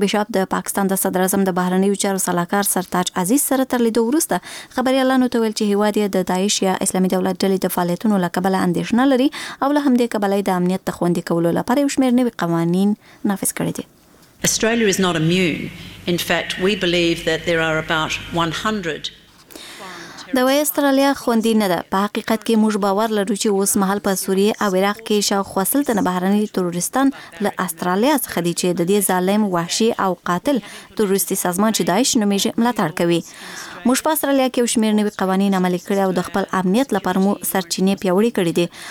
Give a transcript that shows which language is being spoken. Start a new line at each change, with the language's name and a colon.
Pashto: بیشپ د پاکستان د صدر اعظم د بهرنیو چارو سلاکار سرتاج عزیز سره تر لیدو وروسته خبریالانو ته ویل چې هیواد یې د داعش یا اسلامي دولت ډلې د فعالیتونو له کبله اندېښنه لري او له همدې کبله یې د امنیت د خوندي کولو لپاره یو شمېر نوي قوانین نافذ کړي دي.
English: Australia is not immune. In fact, we believe that there are about 100
Pashto: د وې استرالیا خوندې نه ده. په حقیقت کې موږ باور لرو چې اوس مهال په سوریې او عراق کې شاوخوا سل تنه بهرني تروریستان له استرالیا څخه دي چې د دې ظالم وحشي او قاتل تروریستي سازمان چې داعش نومیږي ملاتړ کوي. موږ په استرالیا کې یو شمېر نوي قوانین عملي کړي او د خپل امنیت لپاره مو سرچینې پیاوړې کړي دي.